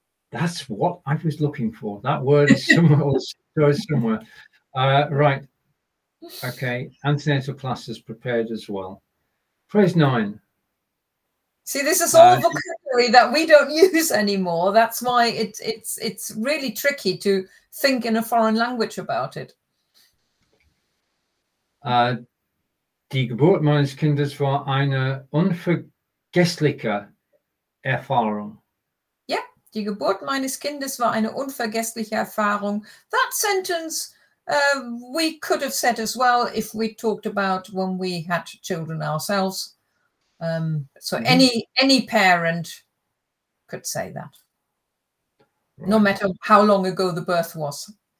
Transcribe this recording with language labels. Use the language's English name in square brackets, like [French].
[English] That's what I was looking for. That word is somewhere. Right. Okay. Antenatal classes prepared as well. Phrase 9. See, this is all vocabulary that we don't use anymore. That's why it's really tricky to think in a foreign language about it. [German] Die Geburt meines Kindes war eine unvergessliche Erfahrung. Yeah, die Geburt meines Kindes war eine unvergessliche Erfahrung. [English] That sentence we could have said as well if we talked about when we had children ourselves. Any parent could say that, right, no matter how long ago the birth was.